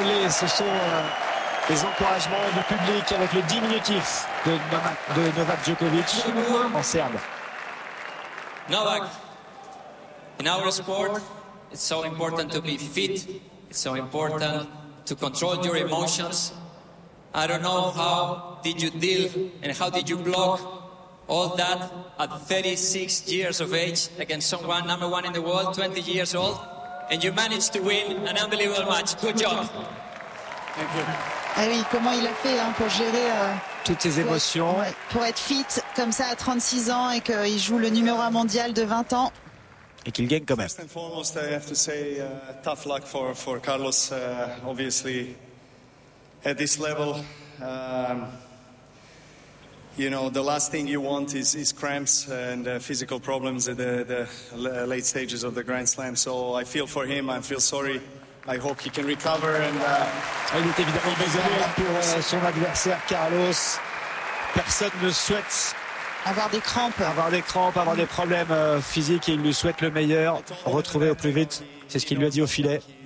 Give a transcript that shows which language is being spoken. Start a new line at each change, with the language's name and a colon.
French: Ce sont les encouragements du public avec le diminutif de Novak Djokovic en serbe.
English: Novak, in our sport, it's so important to be fit. It's so important to control your emotions. I don't know how did you deal and how did you block all that at 36 years of age against someone number one in the world, 20 years old, and you managed to win an unbelievable match. Good job. Thank you.
French: Ah oui, comment il a fait hein, pour gérer toutes ses émotions. Pour être fit comme ça à 36 ans et qu'il joue le numéro 1 mondial de 20 ans. Et qu'il gagne quand même.
English: First and foremost, I have to say tough luck for Carlos. Obviously, at this level, you know, the last thing you want is cramps and physical problems at the late stages of the Grand Slam. So I feel for him, I feel sorry. I hope he can recover and,
French: Il est évidemment désolé pour son adversaire Carlos. Personne ne souhaite avoir des crampes, avoir des problèmes physiques, et il lui souhaite le meilleur, retrouver au plus vite. C'est ce qu'il lui a dit au filet.